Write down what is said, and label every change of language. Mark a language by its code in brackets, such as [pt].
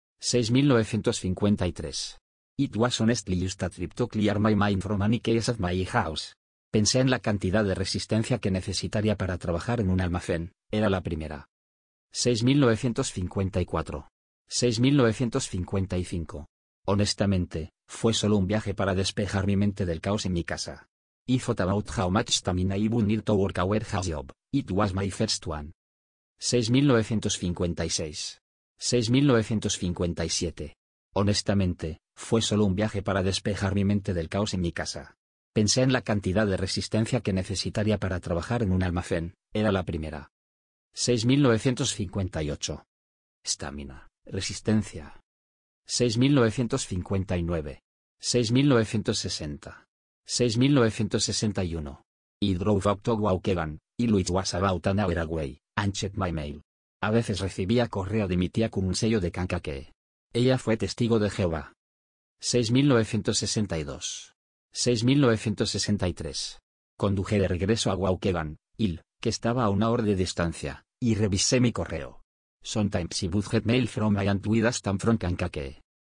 [en] 6.953. It was honestly just a trip to clear my mind from any chaos at my house. [es] Pensé en la cantidad de resistencia que necesitaría para trabajar en un almacén, era la primera. 6.954. 6.955. Honestamente, fue solo un viaje para despejar mi mente del caos en mi casa. [en] I thought about how much stamina I would need to work a warehouse job, it was my first one. 6.956. 6.957. [es] Honestamente, fue solo un viaje para despejar mi mente del caos en mi casa. Pensé en la cantidad de resistencia que necesitaría para trabajar en un almacén, era la primera. [en] 6.958. Stamina, resistencia. 6.959. 6.960. 6.961. I drove up to Waukegan, Illinois was about an hour away, and checked my mail. [es] A veces recibía correo de mi tía con un sello de Kankakee. Ella fue testigo de Jehová. 6.962. 6.963. Conduje de regreso a Waukegan, Ill, que estaba a una hora de distancia, y revisé mi correo. [en] Sometimes I would get mail from my aunt with a stamp from Kankakee.